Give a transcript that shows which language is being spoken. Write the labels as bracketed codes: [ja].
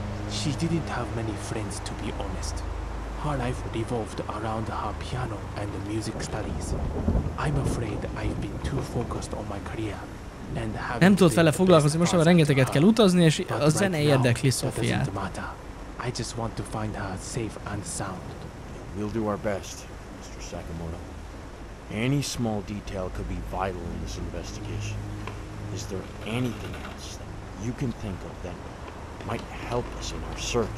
[en] She didn't have many friends, to be honest. Her life revolved around her piano and music studies. I'm afraid I've been too focused on my career. And [hu] nem tudott vele foglalkozni, most már rengeteget kell utazni, és a zene érdekli Sophiát. [en] I just want to find her safe and sound. We'll do our best, Mr. Sakamoto. Any small detail could be vital in this investigation. Is there anything else that you can think of that might help us in our search?